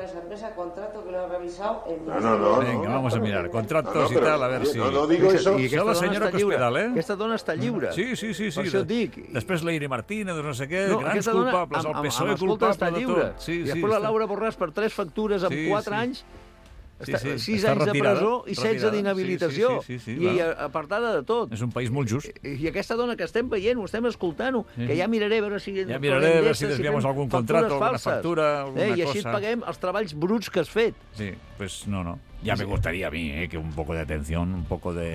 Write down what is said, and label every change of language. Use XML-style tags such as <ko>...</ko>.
<es>Esa empresa, contrato que lo ha revisado. Venga, vamos a mirar. Contratos y tal, a ver si... No digo eso. Y que la señora Cospedal, ¿eh?</es> <ca>Esta dona está lliure. Sí. Per això et dic. Després l'Iri Martínez, no sé què, grans culpables, el PSOE culpable de tot. Sí, i després la Laura Borràs per 3 factures en 4 anys... Sí, 6 anys de presó i 16 d'inhabilitació. Sí, apartada de tot. És un país molt just. I aquesta dona que estem veient, ho estem escoltant-ho, que ja miraré a veure si... Ja miraré a veure si desviem algun contracte, alguna factura, alguna cosa. I així et paguem els treballs bruts que has fet. Sí, pues no.</ca> <es>Ya me gustaría a mí, que un poco de atención, un poco de...</es>